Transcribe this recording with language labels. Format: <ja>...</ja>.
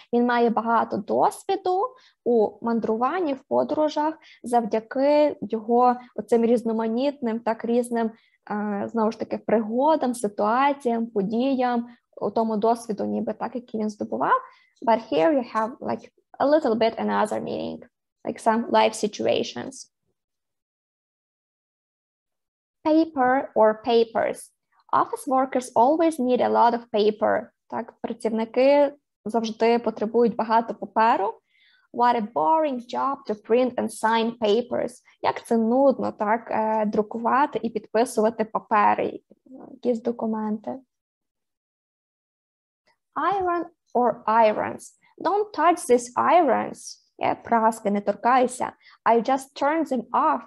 <uk>Він має багато досвіду у мандруванні, в подорожах завдяки його оцим різноманітним, так різним, знову ж таки, пригодам, ситуаціям, подіям, у тому досвіду, ніби так, який він здобував.</uk> <en>But here you have like a little bit another meaning, like some life situations. Paper or papers. Office workers always need a lot of paper.</en> <uk>Так, працівники завжди потребують багато паперу.</uk> <en>What a boring job to print and sign papers.</en> <uk>Як це нудно, так, друкувати і підписувати папери, якісь документи.</uk> <en>Iron or irons. Don't touch these irons.</en> <uk>Я праски не торкайся.</uk> <en>I just turned them off.</en>